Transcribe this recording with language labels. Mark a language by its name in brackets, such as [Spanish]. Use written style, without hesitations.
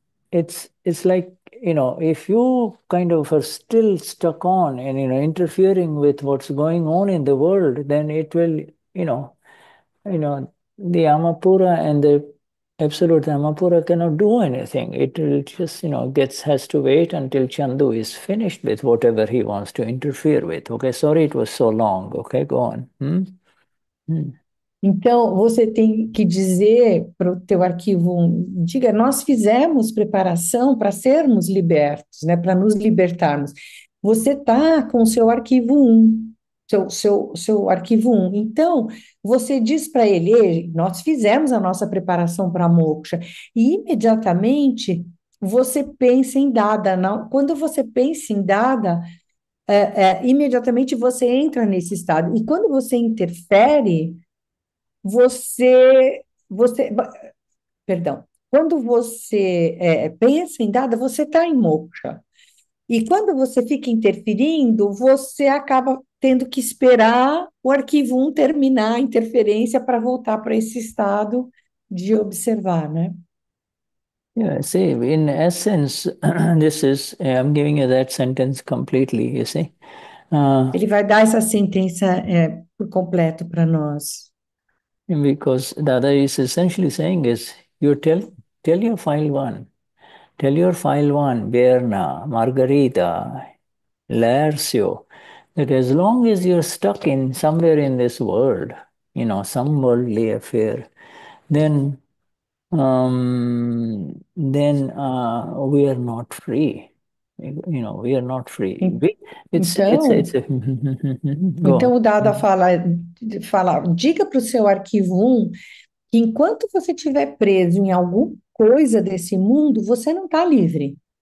[English] It's like, you know, if you kind of are still stuck on and, you know, interfering with what's going on in the world, then it will, you know, the Amapura and the Absolute Amapura cannot do anything. It will just, you know, has to wait until Chandu is finished with whatever he wants to interfere with. Okay, sorry it was so long. Okay, go on. [Portuguese] Então, você tem que dizer para o teu arquivo, diga, nós fizemos preparação para sermos libertos, né, para nos libertarmos. Você está com o seu arquivo 1. Seu arquivo 1. Então, você diz para ele, nós fizemos a nossa preparação para a moksha, e imediatamente você pensa em Dada. Quando você pensa em Dada, imediatamente você entra nesse estado. E quando você interfere, você perdão, quando você pensa em Dada, você está em moksha. E quando você fica interferindo, você acaba tendo que esperar o arquivo 1 terminar a interferência para voltar para esse estado de observar, né? [English] Yeah, see, in essence, this is, I'm giving you that sentence completely, you see. [Portuguese] Ele vai dar essa sentença por completo para nós. [English] Because Dada is essentially saying is, you tell your file 1, tell your file 1, Berna, Margarita, Lercio, that as long as you're stuck in somewhere in this world, you know, some worldly affair, then we are not free. You know, we are not free. [Portuguese] Então, o Dada fala, diga para o seu arquivo 1 que enquanto você estiver preso em alguma coisa desse mundo, você não está livre.